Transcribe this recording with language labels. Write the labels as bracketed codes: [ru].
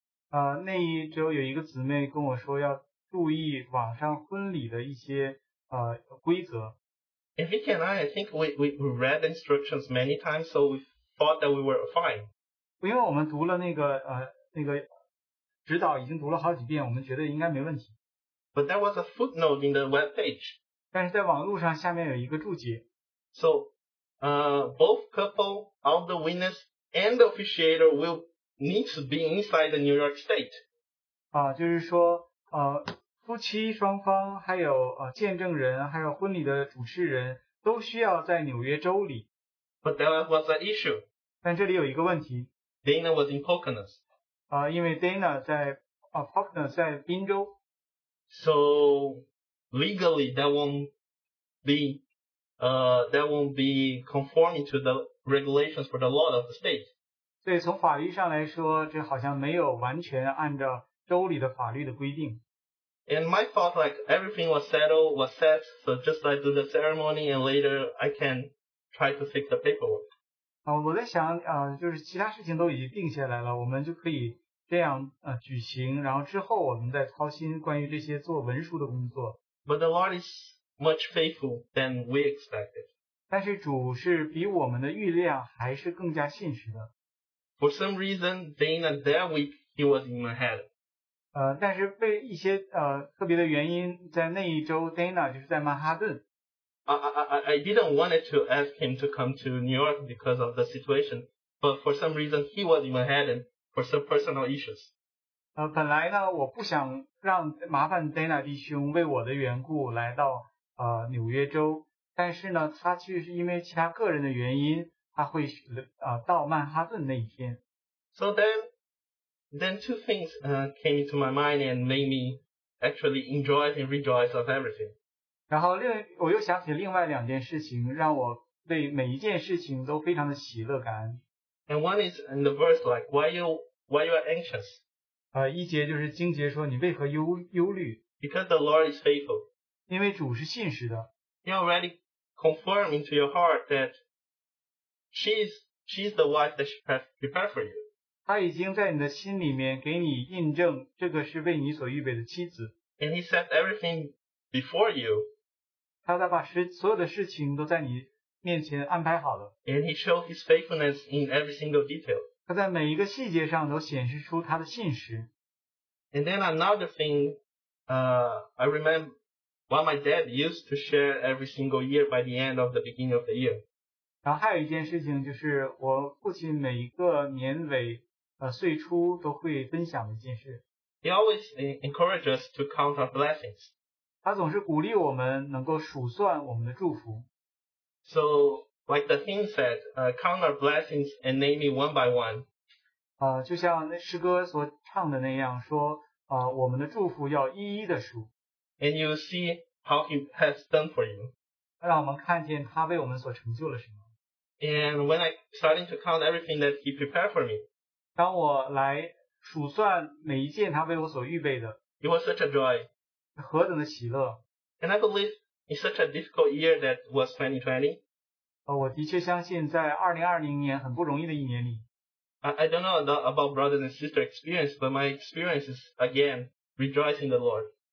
[zh] 那一周有一个姊妹跟我说要注意网上婚礼的一些规则。 [en] If he and I think we read instructions many times, so we thought that we were fine. [zh] 因为我们读了那个指导，已经读了好几遍，我们觉得应该没问题。 [en] But there was a footnote in the web page. [zh] 但是在网路上下面有一个注解。 [en] So, both couple, all the witness and the officiator will need to be inside the New York State. [zh] 就是说。夫妻双方还有见证人还有婚礼的主持人都需要在纽约州里。 [en] But there was an issue. [zh] 但这里有一个问题。 [en] Dana was in Poconos. [zh] 因为 Dana 在 Poconos 在宾州。 [en] So legally that won't be conforming to the regulations for the law of the state. [zh] 对，从法律上来说，这好像没有完全按照州里的法律的规定。 [en] And my thought, like, everything was settled, was set, so just I do the ceremony, and later I can try to fix the paperwork. [zh] 我在想，就是其他事情都已经定下来了，我们就可以这样举行，然后之后我们再操心关于这些做文书的工作。 [en] But the Lord is much faithful than we expected. [zh] 但是主是比我们的预料还是更加信实的。 [en] For some reason, Dana that week, he was in Manhattan. [zh] 但是被一些特别的原因，在那一周 ，Dana 就是在曼哈顿。 [en] I didn't wanted to ask him to come to New York because of the situation, but for some reason he was in Manhattan for some personal issues. [zh] 本来呢，我不想让麻烦 Dana 弟兄为我的缘故来到纽约州，但是呢，他却是因为其他个人的原因，他会到曼哈顿那一天。 [en] So then. Then two things came into my mind and made me actually enjoy and rejoice of everything. [zh] 然后我又想起另外两件事情，让我对每一件事情都非常的喜乐感恩。 [en] And one is in the verse like, why you are anxious? [zh] 一节就是经节说你为何忧虑。 [en] Because the Lord is faithful. [zh] 因为主是信实的。 [en] He already confirmed into your heart that she's the wife that she has prepared for you. [zh] 他已经在你的心里面给你印证，这个是为你所预备的妻子。 [en] And he set everything before you. [zh] 他在把所有的事情都在你面前安排好了。 [en] And he showed his faithfulness in every single detail. [zh] 他在每一个细节上都显示出他的信实。 [en] And then another thing, I remember what my dad used to share every single year by the end of the beginning of the year. [zh] 然后还有一件事情，就是我父亲每一个年尾岁初都会分享的一件事。 [en] He always encourages us to count our blessings. [zh] 他总是鼓励我们能够数算我们的祝福。 [en] So, like the hymn said, count our blessings and name it one by one. [zh] 就像那诗歌所唱的那样说我们的祝福要一一的数。 [en] And you see how he has done for you. [zh] 让我们看见他为我们所成就了什么。 [en] And when I starting to count everything that he prepared for me, [zh] 当我来数算每一件他为我所预备的 [en] ，it was such a joy, [zh] 何等的喜乐。 [en] And I believe It's such a difficult year that was 2020. [zh] 我的确相信在2020年很不容易的一年里。 [en] I don't know about brothers and sisters' experience, but my experience is, again, rejoicing the Lord.